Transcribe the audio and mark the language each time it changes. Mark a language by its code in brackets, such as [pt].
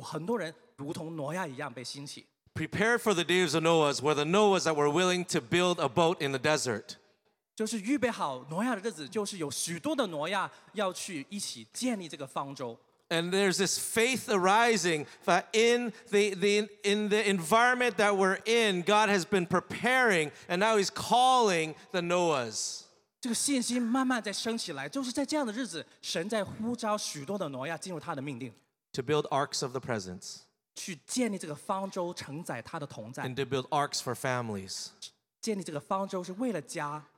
[zh] 所以这句话，如同挪亚的日子，并不是像挪亚的时候世间的人，而是有很多人如同挪亚一样被兴起。 [en] Prepare for the days of Noah's were the Noah's that were willing to build a boat in the desert. [zh] 就是预备好挪亚的日子，就是有许多的挪亚要去一起建立这个方舟。 [en] And there's this faith arising that in the environment that we're in, God has been preparing, and now He's calling the Noah's. [zh] 这个信心慢慢在升起来，就是在这样的日子，神在呼召许多的挪亚进入他的命定。 [en] To build arks of the presence. [zh] 去建立这个方舟，承载他的同在。 [en] And to build arks for families. [zh] 建立这个方舟是为了家。